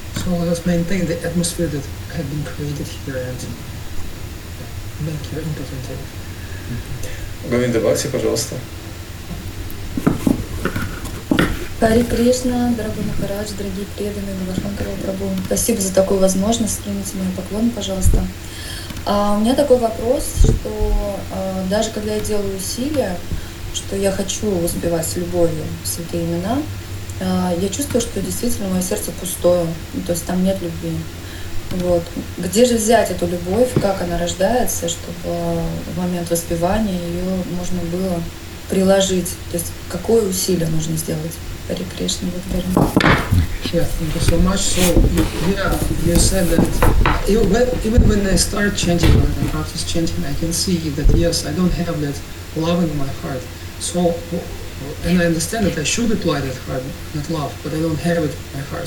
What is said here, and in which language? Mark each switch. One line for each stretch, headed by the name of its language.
English: So let us maintain the atmosphere that had been created here and make your input into it.
Russian: Говинда Бхакти, пожалуйста. Хари Кришна, дорогой Махарадж, дорогие преданные, Говардхан Прабху, спасибо за такую возможность, скиньте мне поклон, пожалуйста. У меня такой вопрос, что даже когда я делаю усилия, что я хочу успевать с любовью святые имена, я чувствую, что действительно мое сердце пустое, то есть там нет любви. Вот. Где же взять эту любовь, как она рождается, чтобы в момент воспевания ее можно было приложить? То есть какое усилие нужно сделать? Hare Krishna, благодарю.
English: Yeah, thank you so much. So, you said that even when I start chanting, when I practice chanting, I can see that, yes, I don't have that love in my heart. So, and I understand that I should apply that heart, that love, but I don't have it in my heart.